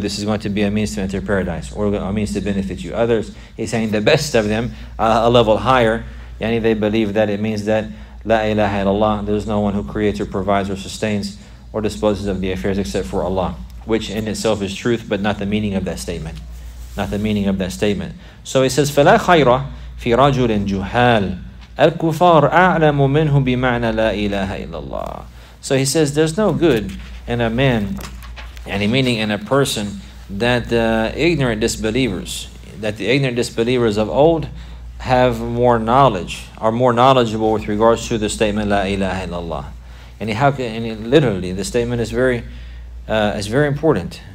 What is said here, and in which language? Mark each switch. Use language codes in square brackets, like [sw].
[en] This is going to be a means to enter paradise, or a means to benefit you. Others, he's saying the best of them, a level higher, any they believe that it means that La ilaha illallah, there's no one who creates or provides or sustains or disposes of the affairs except for Allah. Which in itself is truth, but not the meaning of that statement. Not the meaning of that statement. [ar] So he says, فَلَا خَيْرَ فِي رَجُلٍ جُهَالٍ الْكُفَارُ أَعْلَمُ مِنْهُ بِمَعْنَى لَا إِلَهَ إِلَّا اللَّهِ. [en] So he says, there's no good in a man, any meaning in a person, that the ignorant disbelievers, of old, have more knowledge, are more knowledgeable with regards to the statement La ilaha illallah. Literally, the statement is very important.